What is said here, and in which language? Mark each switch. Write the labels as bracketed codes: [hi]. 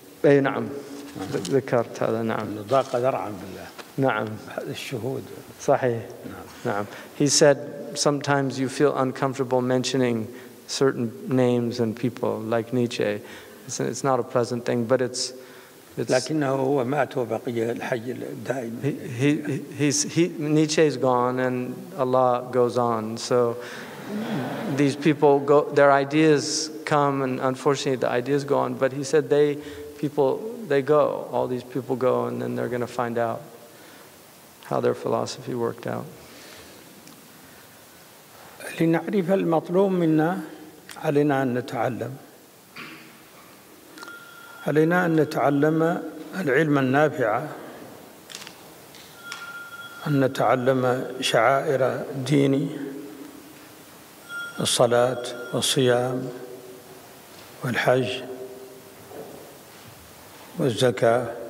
[ar] أي نعم. ذكرت هذا نعم. ضاق ذرعا بالله. نعم. الشهود. صحيح. نعم. نعم. [en] He said sometimes you feel uncomfortable mentioning certain names and people like Nietzsche. It's not a pleasant thing, but it's. [ar] لكنه هو مات وبقي الحي الدائم. [en] He Nietzsche is gone and Allah goes on. So these people go, their ideas come, and unfortunately the ideas go on. But he said they go. All these people go, and then they're going to find out how their philosophy worked out. [ar] لنعرف المطلوب منا علينا أن نتعلم. علينا أن نتعلم العلم النافع، أن نتعلم شعائر ديني، الصلاة والصيام والحج والزكاة،